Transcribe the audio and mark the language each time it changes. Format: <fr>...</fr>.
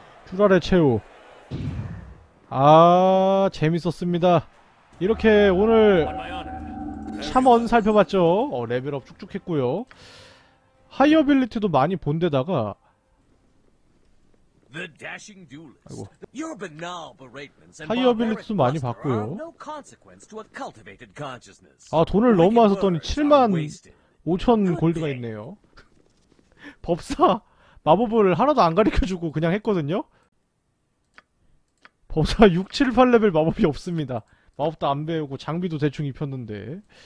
<ko>쭈라리의 최후. 아, 재밌었습니다. 이렇게 오늘 샤먼 살펴봤죠. 레벨업 쭉쭉했고요. 하이어빌리티도 많이 본 데다가,</ko> <en>The dashing duelist. Your banal beratements and barbaric bluster are of no consequence to a cultivated consciousness.</en> <ko>아, 돈을 너무 많이 썼더니 75,000 골드가 있네요. 법사 마법을 하나도 안 가르쳐주고 그냥 했거든요. 법사 6, 7, 8레벨 마법이 없습니다. 마법도 안 배우고 장비도 대충 입혔는데.</ko>